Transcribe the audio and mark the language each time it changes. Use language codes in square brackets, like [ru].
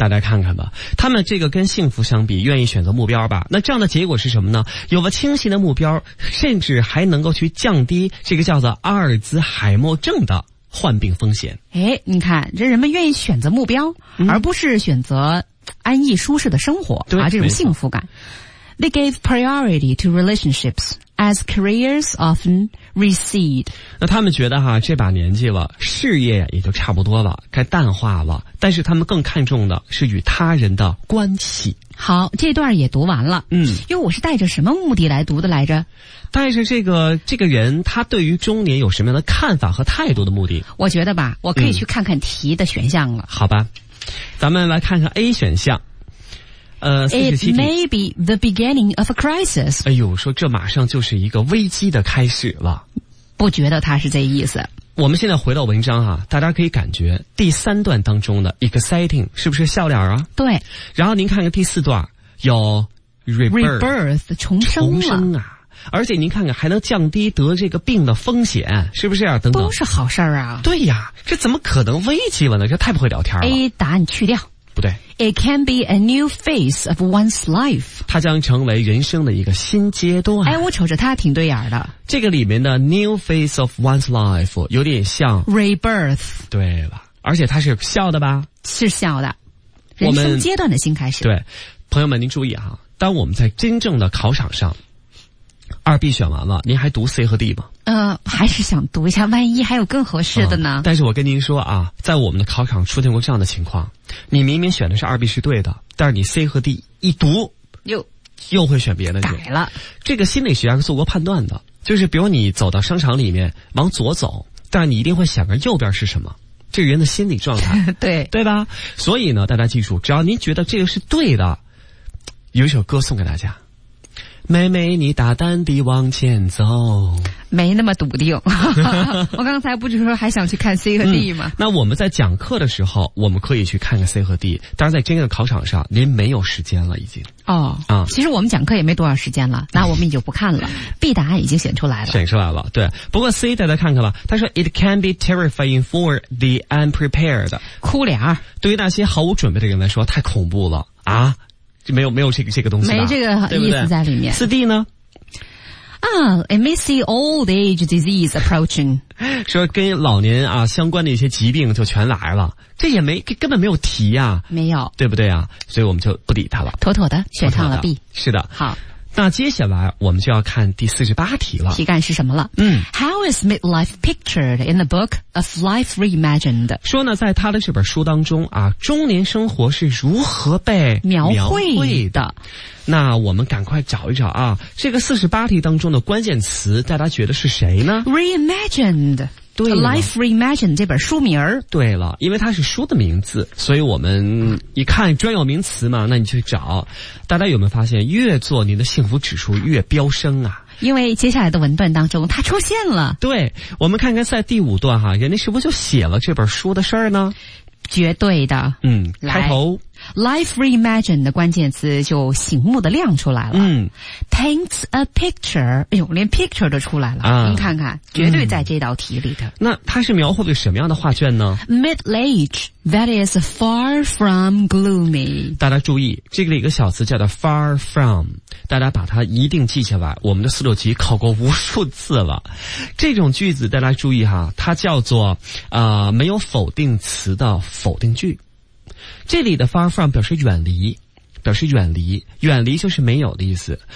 [zh] 大家看看吧，他们这个跟幸福相比，愿意选择目标吧？那这样的结果是什么呢？有了清晰的目标，甚至还能够去降低这个叫做阿尔兹海默症的患病风险。哎，你看，这人们愿意选择目标，而不是选择。安逸舒适的生活啊，这种幸福感。 [en] They gave priority to relationships as careers often recede。 [zh] 那他们觉得哈，这把年纪了，事业也就差不多了，该淡化了。但是他们更看重的是与他人的关系。好，这段也读完了。嗯，因为我是带着什么目的来读的来着？带着这个人他对于中年有什么样的看法和态度的目的？我觉得吧，我可以去看看题的选项了。好吧。咱们来看看 A 选项， [en] It may be the beginning of a crisis。 [zh] 哎呦，说这马上就是一个危机的开始了，不觉得他是这意思。我们现在回到文章啊，大家可以感觉第三段当中的 exciting 是不是笑脸啊？对。然后您看看第四段有 rebirth 重生啊，而且您看看还能降低得这个病的风险，是不是啊？等等，都是好事啊。对呀，这怎么可能危机了呢？这太不会聊天了。 A 答案去掉，不对。 [en] It can be a new phase of one's life。 [zh] 它将成为人生的一个新阶段。哎，我瞅着它挺对眼的。这个里面的 [en] new phase of one's life [zh] 有点像 [en] rebirth。 [zh] 对了，而且它是笑的吧？是笑的，人生阶段的新开始。对，朋友们您注意哈，当我们在真正的考场上。二 B 选完了，您还读 C 和 D 吗？还是想读一下，万一还有更合适的呢？但是我跟您说啊，在我们的考场出现过这样的情况，你明明选的是二 B 是对的，但是你 C 和 D 一读，又会选别的，改了。这个心理学家是做过判断的，就是比如你走到商场里面往左走，但是你一定会想着右边是什么。这个人的心理状态，对对吧？所以呢，大家记住，只要您觉得这个是对的，有一首歌送给大家。妹妹你大胆地往前走，没那么笃定。我刚才不是说还想去看 C 和 D 吗？那我们在讲课的时候我们可以去看看 C 和 D， 但是在真正的考场上您没有时间了已经。其实我们讲课也没多少时间了，那我们也就不看了。 B 答案已经选出来了，选出来了。对，不过 C 大家看看吧，他说 [en] It can be terrifying for the unprepared， [zh] 哭脸对于那些毫无准备的人来说太恐怖了啊，没有这个东西吧，没这个意思在里面。四 D 呢？ [en] 啊 ，I may see old age disease approaching， [zh] 说跟老年啊相关的一些疾病就全来了，这也没根本没有提呀、啊，没有，对不对啊？所以我们就不理他了，妥妥的选上了 B。是的，好，那接下来我们就要看第48题了，题干是什么了？嗯 [en] ，How is midlife pictured in the book of life reimagined？ [zh] 说呢，在他的这本书当中啊，中年生活是如何被描绘的？那我们赶快找一找啊，这个48题当中的关键词，大家觉得是谁呢 [en] ？Reimagined， [zh] 对了，Life Reimagined 这本书名儿。对了，因为它是书的名字，所以我们一看专有名词嘛，那你去找。大家有没有发现，越做您的幸福指数越飙升啊？因为接下来的文段当中它出现了。对，我们看看在第五段哈，人家是不是就写了这本书的事儿呢？绝对的。嗯，开头 Life Reimagined 的关键词就醒目的亮出来了。嗯， [en] Paints a picture， [zh] 哎呦，连 picture 都出来了、啊、您看看，绝对在这道题里的、嗯、那它是描绘的什么样的画卷呢？ [en] Middle age that is far from gloomy。 [zh] 大家注意这个里一个小词叫做 far from， 大家把它一定记下来，我们的四六级考过无数次了。这种句子大家注意哈，它叫做没有否定词的否定句。这里的 far from 表示远离，表示远离，远离就是没有的意思。